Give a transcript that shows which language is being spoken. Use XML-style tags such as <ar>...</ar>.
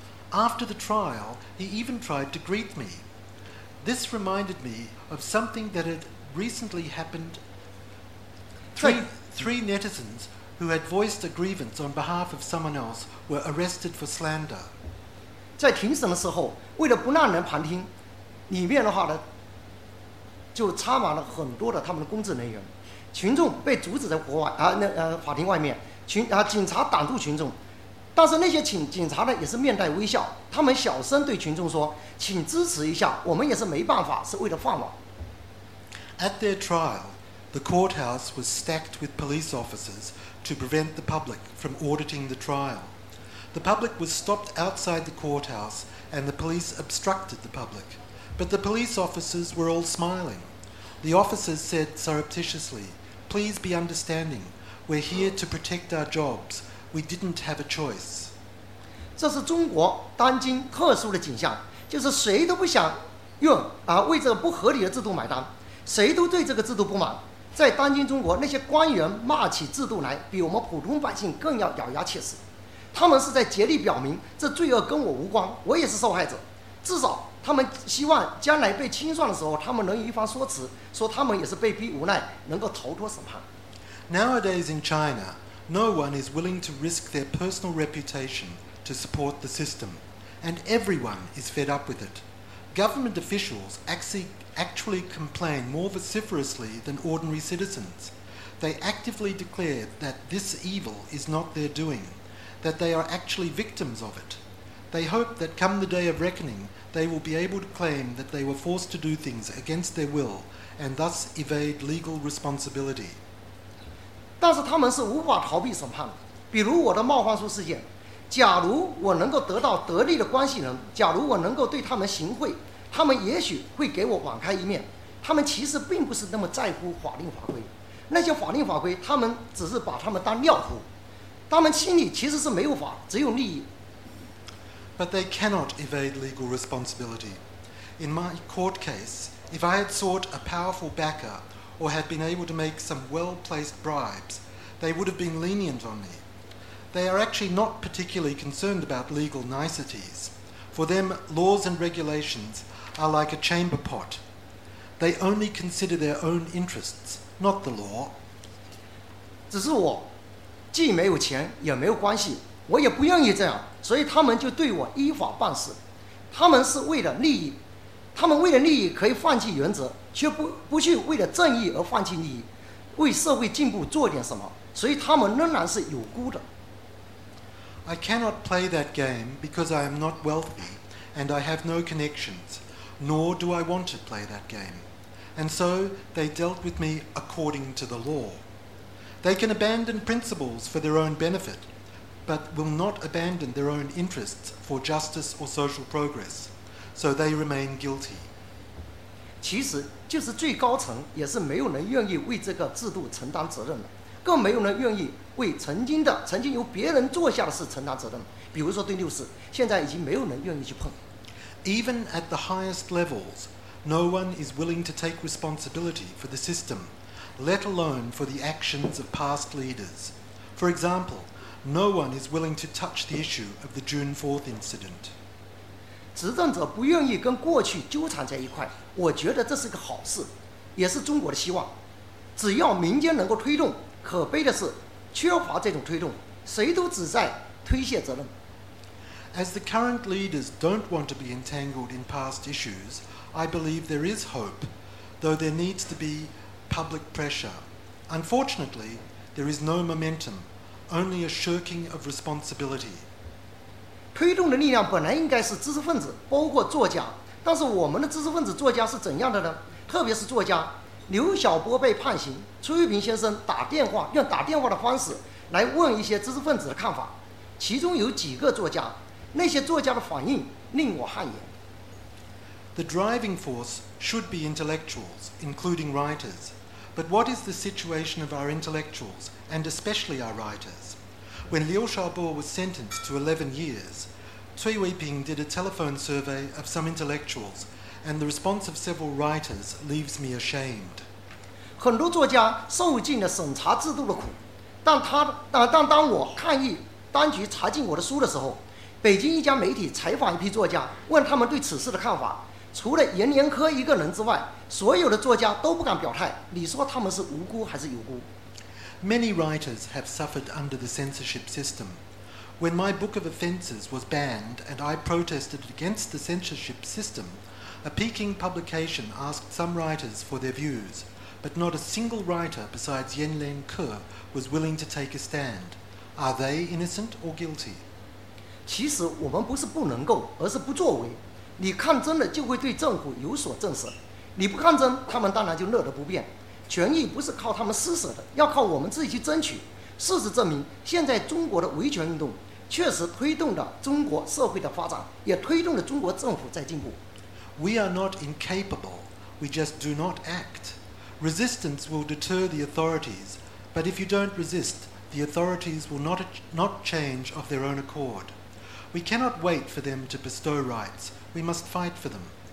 <en>After the trial, he even tried to greet me. This reminded me of something that had recently happened. Three netizens who had voiced a grievance on behalf of someone else were arrested for slander.</en> <zh>在庭审的时候，为了不让人旁听，里面的话呢。就插满了很多的他们的公职人员，群众被阻止在国外法庭外面，警察挡住群众，但是那些警察呢也是面带微笑，他们小声对群众说：“请支持一下，我们也是没办法，是为了饭碗。”</zh> <en>At their trial, the courthouse was stacked with police officers to prevent the public from auditing the trial. The public was stopped outside the courthouse, and the police obstructed the public. But the police officers were all smiling. The officers said surreptitiously, please be understanding. We're here to protect our jobs. We didn't have a choice.</en> <zh>这是中国当今特殊的景象，就是谁都不想用为这个不合理的制度买单，谁都对这个制度不满。在当今中国，那些官员骂起制度来，比我们普通百姓更要咬牙切齿。他们是在竭力表明，这罪恶跟我无关，我也是受害者。至少他们希望将来被清算的时候，他们能有一方说辞，说他们也是被逼无奈，能够逃脱审判。</zh> <en>Nowadays in China, no one is willing to risk their personal reputation to support the system, and everyone is fed up with it. Government officials actually complain more vociferously than ordinary citizens. They actively declare that this evil is not their doing, that they are actually victims of it. They hope that come the day of reckoning, they will be able to claim that they were forced to do things against their will and thus evade legal responsibility.</en> <zh>但是他们是无法逃避审判的。比如我的冒犯书事件，假如我能够得到得力的关系人，假如我能够对他们行贿，他们也许会给我网开一面。他们其实并不是那么在乎法令法规，那些法令法规他们只是把他们当尿壶，他们心里其实是没有法，只有利益。</zh> <en>But they cannot evade legal responsibility. In my court case, if I had sought a powerful backer or had been able to make some well-placed bribes, they would have been lenient on me. They are actually not particularly concerned about legal niceties. For them, laws and regulations are like a chamber pot. They only consider their own interests, not the law.</en> <zh>只是我，既没有钱，也没有关系，我也不愿意这样，所以他们就对我依法办事。他们是为了利益，他们为了利益可以放弃原则，却不去为了正义而放弃利益，为社会进步做点什么，所以他们仍然是有辜的。</zh> <en>I cannot play that game because I am not wealthy and I have no connections, nor do I want to play that game. And so they dealt with me according to the law. They can abandon principles for their own benefit, but will not abandon their own interests for justice or social progress. So they remain guilty.</en> <zh>其实就是最高层也是没有人愿意为这个制度承担责任的，更没有人愿意为曾经由别人做下的事承担责任，比如说对六四，现在已经没有人愿意去碰。</zh> <en>Even at the highest levels, no one is willing to take responsibility for the system, let alone for the actions of past leaders. For example, no one is willing to touch the issue of the June 4th incident.</en> <zh>执政者不愿意跟过去纠缠在一块，我觉得这是个好事，也是中国的希望。只要民间能够推动，可悲的是缺乏这种推动，谁都只在推卸责任。</zh> <en>As the current leaders don't want to be entangled in past issues, I believe there is hope, though there needs to be public pressure. Unfortunately, there is no momentum, only a shirking of responsibility.</en> <zh>推动的力量本来应该是知识分子，包括作家，但是我们的知识分子作家是怎样的呢？特别是作家刘晓波被判刑，崔玉平先生打电话，用打电话的方式来问一些知识分子的看法，其中有几个作家，那些作家的反应令我汗颜。</zh> <en>The driving force should be intellectuals, including writers. But what is the situation of our intellectuals, and especially our writers? When Liu Xiaobo was sentenced to 11 years, Cui Weiping did a telephone survey of some intellectuals, and the response of several writers leaves me ashamed.</en> <zh>很多作家受尽了审查制度的苦，但当我抗议当局查禁我的书的时候，北京一家媒体采访一批作家，问他们对此事的看法，除了严连科一个人之外，所有的作家都不敢表态，你说他们是无辜还是有辜？</zh> <en>Many writers have suffered under the censorship system. When my book of offenses was banned and I protested against the censorship system, a Peking publication asked some writers for their views, but not a single writer besides Yan Lian Ke was willing to take a stand. Are they innocent or guilty?</en> <zh>其实我们不是不能够，而是不作为。你抗争了就会对政府有所震慑，你不抗争，他们当然就乐得不便。权益不是靠他们施舍的，要靠我们自己去争取。事实证明，现在中国的维权运动确实推动了中国社会的发展，也推动了中国政府在进步。</zh> <en>We are not incapable, we just do not act. Resistance will deter the authorities, but if you don't resist, the authorities will not change of their own accord. We cannot wait for them to bestow rights, we must fight for them.</en>